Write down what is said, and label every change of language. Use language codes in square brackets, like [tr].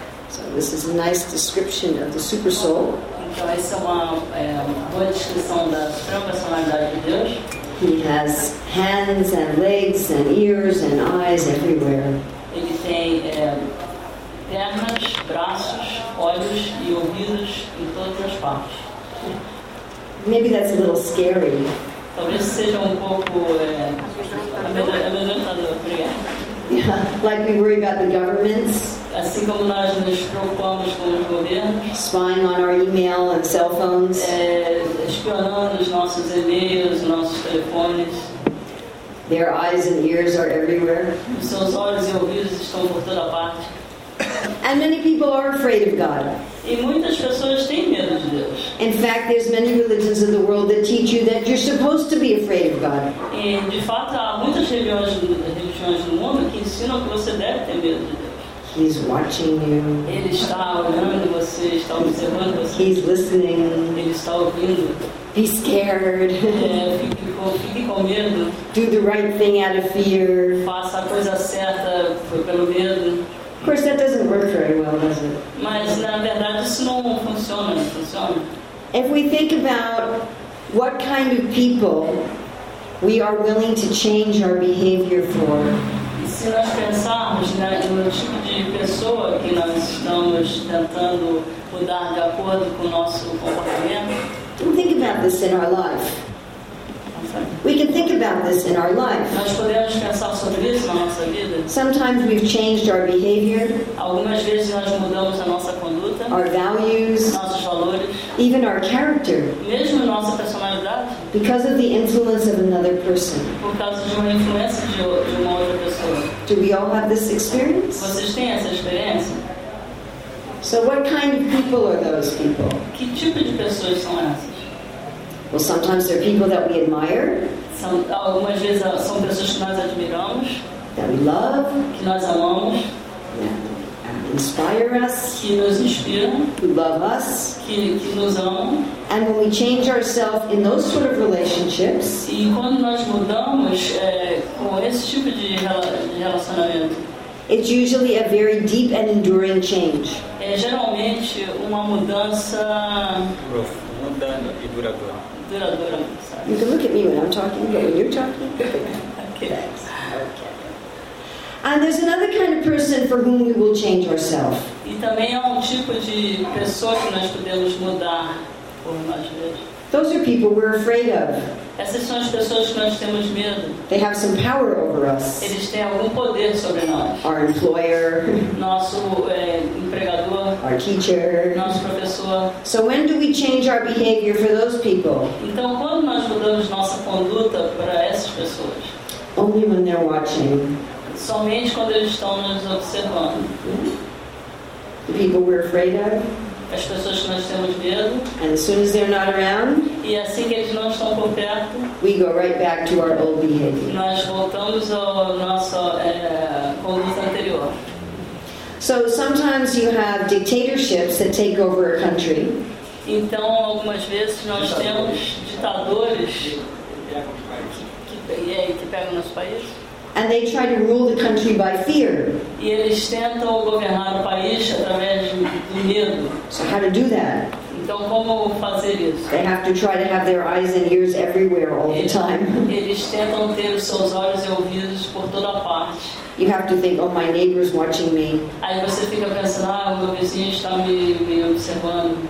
[en] So this is a nice description of the super soul. [pt] Então essa é uma boa descrição da suprema personalidade de Deus. [en] He has hands and legs and ears and eyes everywhere. [pt] Ele tem pernas, braços, olhos e ouvidos em todas as partes. [en] Maybe that's a little scary. [pt] Talvez seja pouco amedrontador. [en] Yeah, like we worry about the governments. [pt] Assim como nós nos preocupamos com os governos. [en] Spying on our email and cell phones. [pt] Espionando os nossos e-mails, nossos telefones. [en] Their eyes and ears are everywhere. [pt] Seus olhos e ouvidos estão por toda parte. [en] And many people are afraid of God. [pt] E muitas pessoas têm medo de Deus. [en] In fact, there's many religions in the world that teach you that you're supposed to be afraid of God. [pt] E de fato há muitas religiões no mundo que ensinam que você deve ter medo de Deus. [en] He's watching you. [pt] Ele está olhando você, está observando você. [en] He's listening. [pt] Ele está ouvindo. [en] Be scared. [pt] Fique com medo. [en] Do the right thing out of fear. [pt] Faça a coisa certa pelo medo. [en] Of course, that doesn't work very well, does it? [pt] Mas, na verdade, isso não funciona. Funciona. [en] If we think about what kind of people we are willing to change our behavior for, [pt] se nós pensarmos, né, no tipo de pessoa que nós estamos tentando mudar de acordo com o nosso comportamento, [en] think about this in our life. We can think this in our life. [pt] Nós podemos pensar sobre isso na nossa vida. [en] Sometimes we've changed our behavior. [pt] Algumas vezes nós mudamos a nossa conduta. [en] Our values. [pt] Nossos valores. [en] Even our character. [pt] Mesmo nossa personalidade. [en] Because of the influence of another person. [pt] Por causa de uma influência de uma outra pessoa. [en] Do we all have this experience? [pt] Vocês têm essa experiência? [en] So what kind of people are those people? [pt] Que tipo de pessoas são essas? [en] Well, sometimes they're people that we admire. [pt] Algumas vezes são pessoas que nós admiramos. [en] That we love. [pt] Que nós amamos. [en] That inspire us. [pt] Que nos inspiram. [en] Who love us. [pt] Que nos amam. [en] And when we change ourselves in those sort of relationships. [pt] E quando nós mudamos com esse tipo de relacionamento. [en] It's usually a very deep and enduring change. [pt] É geralmente uma mudança profunda e duradoura. Duradoura. [en] You can look at me when I'm talking, but when you're talking, okay. And there's another kind of person for whom we will change ourselves. [pt] E também é tipo de pessoa que nós podemos mudar por nós mesmos. [en] Those are people we're afraid of. [pt] Essas são as pessoas que nós temos medo. [en] They have some power over us. [pt] Eles têm algum poder sobre nós. [en] Our employer. [pt] Nosso empregador. [en] Our teacher. [pt] Nosso professor. [en] So when do we change our behavior for those people? [pt] Então quando nós mudamos nossa conduta para essas pessoas? [en] Only when they're watching. [pt] Somente quando eles estão nos observando. [en] The people we're afraid of. [pt] As pessoas que nós temos medo. [en] And as soon as they're not around, [pt] e assim que eles não estão por perto, [en] we go right back to our old behavior. [pt] Nós voltamos ao nosso conduta anterior. [en] So sometimes you have dictatorships that take over a country. [pt] Então algumas vezes nós temos ditadores que pegam nosso país. [en] And they try to rule the country by fear. [pt] E eles tentam governar o país através do medo. [en] So how to do that? [pt] Então como fazer isso? [en] They have to try to have their eyes and ears everywhere all the time. [pt] Eles tentam ter os seus olhos e ouvidos por toda parte. [en] You have to think, oh, my neighbor is watching me. [pt] Aí você fica pensando, ah, meu vizinho está me observando.